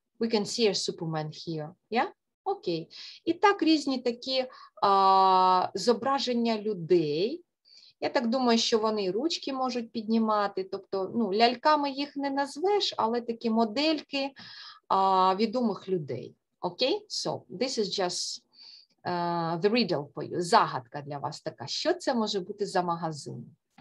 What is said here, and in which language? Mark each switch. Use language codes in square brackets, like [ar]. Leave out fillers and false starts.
[en] We can see a Superman here. Yeah? Окей. Okay. [uk] І так різні такі зображення людей. Я так думаю, що вони ручки можуть піднімати, тобто, ну, ляльками їх не назвеш, але такі модельки відомих людей. Окей? Okay? [en] So, this is just the riddle for you. [uk] Загадка для вас така. Що це може бути за магазин?